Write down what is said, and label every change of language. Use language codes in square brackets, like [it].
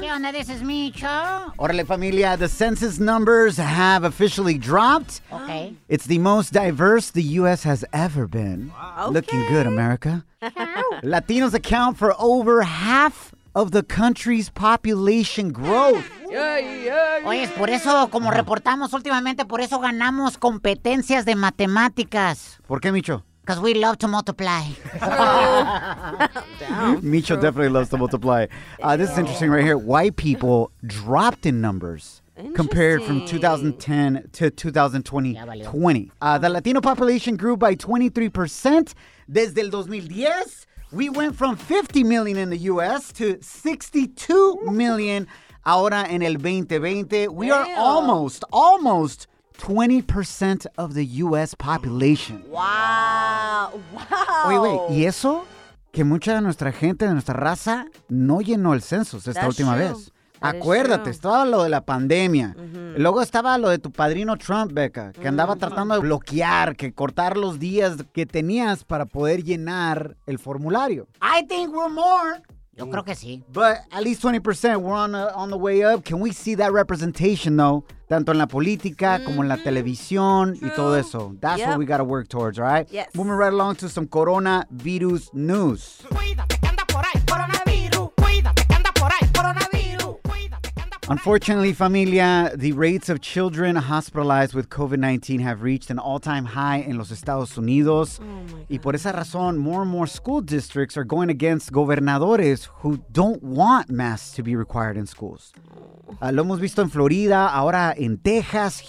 [en] Yeah, now this is Micho. Orale, familia. The census numbers have officially dropped. Okay. It's the most diverse the U.S. has ever been. Wow. Okay. Looking good, America. Latinos account for over half of the country's population growth. [es] Oye, es por eso, como reportamos últimamente, por eso ganamos competencias de matemáticas. ¿Por qué, Micho? [en] Because we love to multiply. Micho definitely loves to multiply. This is interesting right here. White people dropped in numbers compared from 2010 to 2020. The Latino population grew by 23% desde el 2010. We went from 50 million in the U.S. to 62 million ahora en el 2020. We are almost 20% of the U.S. population. Wow. [es] Oye, wait. ¿Y eso? Que mucha de nuestra gente, de nuestra raza, no llenó el censo esta última vez. That Acuérdate, estaba lo de la pandemia. Mm-hmm. Luego estaba lo de tu padrino Trump, Becca, que andaba tratando de bloquear, que cortar los días que tenías para poder llenar el formulario. [en] I think we're more. Yo creo que sí. But at least 20%, we're on the way up. Can we see that representation, though? [es] Tanto en la política, como en la televisión, y todo eso. [en] That's what we gotta work towards, right? Yes. Moving right along to some coronavirus news. Unfortunately, familia, the rates of children hospitalized with COVID-19 have reached an all-time high in los Estados Unidos. Oh my God. Y por esa razón, more and more school districts are going against gobernadores who don't want masks to be required in schools. [es] Lo hemos visto en Florida, ahora en Texas.